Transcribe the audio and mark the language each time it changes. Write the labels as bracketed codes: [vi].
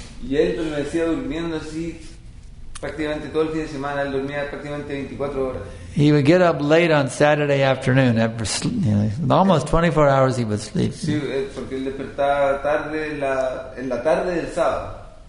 [es] Y él permanecía durmiendo así prácticamente todo el fin de semana. Él dormía prácticamente 24 horas. [en] He would get up late on Saturday afternoon. After, you know, almost 24 hours he would sleep. [es] Sí, porque él despertaba tarde en la tarde del sábado.